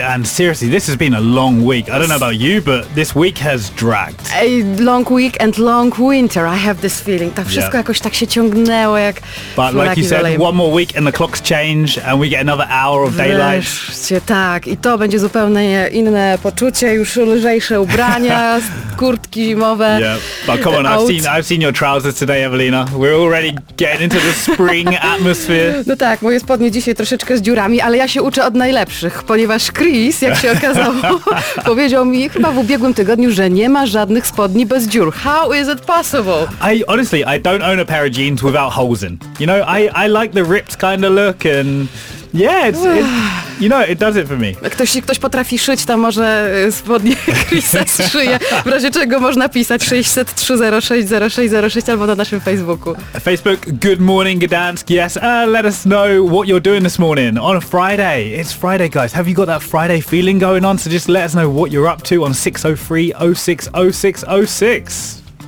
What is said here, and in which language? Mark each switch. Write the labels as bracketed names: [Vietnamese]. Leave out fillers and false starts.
[English] And seriously, this has been a long week. I don't know about you, but this week has dragged. A long week and long winter. I have this feeling. [Polish] To wszystko jakoś tak się ciągnęło jak... [English] But like you said, one more week and the clocks change and we get another hour of daylight. [Polish] Wreszcie, tak, i to będzie zupełnie inne poczucie, już lżejsze ubrania, kurtki zimowe. [English] Yeah, but come on, I've seen your trousers today, Evelina. We're already getting into the spring atmosphere. [Polish] No tak, moje spodnie dzisiaj troszeczkę z dziurami, ale ja się uczę od najlepszych, ponieważ Chris, jak się okazało, powiedział mi chyba w ubiegłym tygodniu, że nie ma żadnych spodni bez dziur. [English] How is it possible? I honestly don't own a pair of jeans without holes in. You know, I like the ripped kind of look and... Yeah, you know, it does it for me. [Polish] Ktoś potrafi szyć, to może spodnie Chrisa zszyje. W razie czego można pisać 603060606 albo na naszym Facebooku. [English] Facebook, good morning, Gdansk. Yes, let us know what you're doing this morning on a Friday. It's Friday, guys. Have you got that Friday feeling going on? So just let us know what you're up to on 603060606.